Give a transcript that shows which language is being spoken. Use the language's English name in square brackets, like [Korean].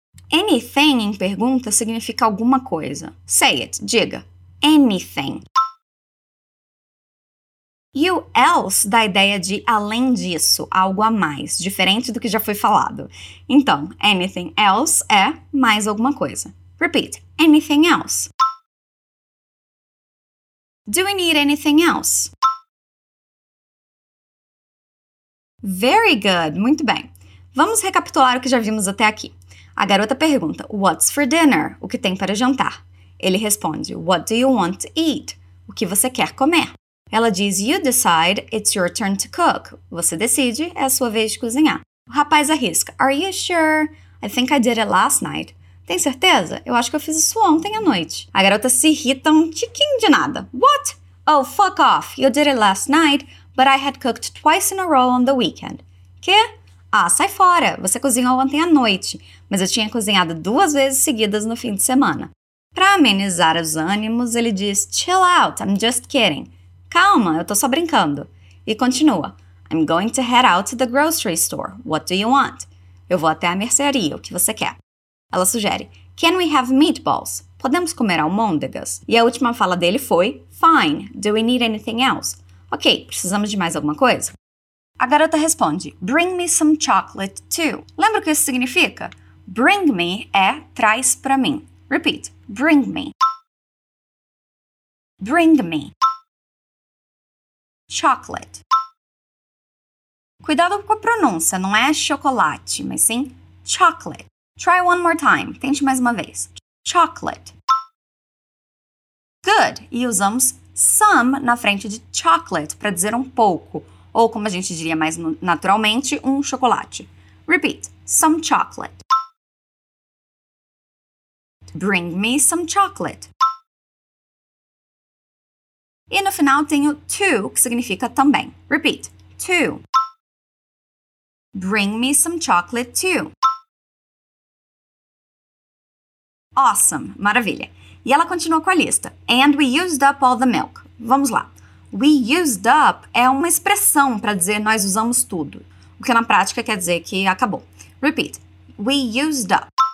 [Portuguese] Anything em pergunta significa alguma coisa. [English] Say it, [Portuguese] diga. Anything. E o else dá a ideia de além disso, algo a mais, diferente do que já foi falado. Então, anything else é mais alguma coisa. [English] Repeat, anything else. Do we need anything else? Very good. [Portuguese] Muito bem. Vamos recapitular o que já vimos até aqui. A garota pergunta, [English] what's for dinner? [Portuguese] O que tem para jantar? Ele responde, [English] what do you want to eat? [Portuguese] O que você quer comer? Ela diz, [English] you decide, it's your turn to cook. [Portuguese] Você decide, é a sua vez de cozinhar. O rapaz arrisca, [English] are you sure? I think I did it last night. [Portuguese] Tem certeza? Eu acho que eu fiz isso ontem à noite. A garota se irrita um tiquinho de nada. [English] What? Oh, fuck off. You did it last night, but I had cooked twice in a row on the weekend. [Portuguese] Quê? Ah, sai fora. Você cozinhou ontem à noite, mas eu tinha cozinhado duas vezes seguidas no fim de semana. Pra amenizar os ânimos, ele diz, [English] chill out, I'm just kidding. [Portuguese] Calma, eu tô só brincando. E continua, [English] I'm going to head out to the grocery store. What do you want? [Portuguese] Eu vou até a mercearia, o que você quer? Ela sugere, [English] can we have meatballs? [Portuguese] Podemos comer almôndegas? E a última fala dele foi, [English] fine, do we need anything else? [Portuguese] Ok, precisamos de mais alguma coisa? A garota responde, [English] bring me some chocolate too. [Portuguese] Lembra o que isso significa? Bring me é traz pra mim. [English] Repeat, bring me. Bring me. Chocolate. [Portuguese] Cuidado com a pronúncia, não é chocolate, mas sim chocolate. [English] Try one more time, [Portuguese] tente mais uma vez. Chocolate. Good, e usamos some na frente de chocolate para dizer um pouco, ou como a gente diria mais naturalmente, um chocolate. [English] Repeat, some chocolate. Bring me some chocolate. [Portuguese] E no final tenho to, que significa também. [English] Repeat, to. Bring me some chocolate too. Awesome, [Portuguese] maravilha. E ela continua com a lista. [English] And we used up all the milk. [Portuguese] Vamos lá. We used up é uma expressão para dizer nós usamos tudo. O que na prática quer dizer que acabou. [English] Repeat. We used up.